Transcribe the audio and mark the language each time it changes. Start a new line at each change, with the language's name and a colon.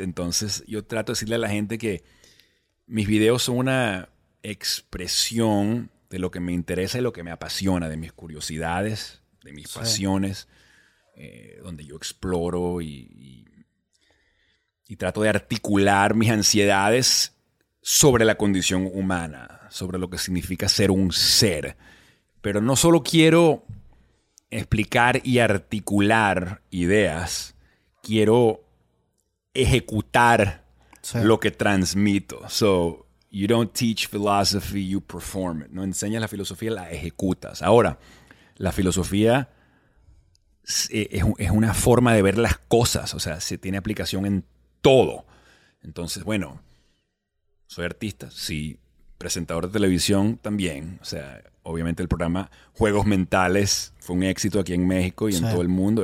Spanish: Entonces, yo trato de decirle a la gente que mis videos son una expresión de lo que me interesa y lo que me apasiona, de mis curiosidades, de mis pasiones, donde yo exploro y trato de articular mis ansiedades sobre la condición humana, sobre lo que significa ser un ser. Pero no solo quiero explicar y articular ideas, quiero ejecutar lo que transmito.
English: So, you don't teach philosophy, you perform it.
Spanish: No enseñas la filosofía, la ejecutas. Ahora, la filosofía es una forma de ver las cosas. O sea, se tiene aplicación en todo. Entonces, bueno, soy artista, sí, presentador de televisión también. O sea, obviamente el programa Juegos Mentales fue un éxito aquí en México y en todo el mundo.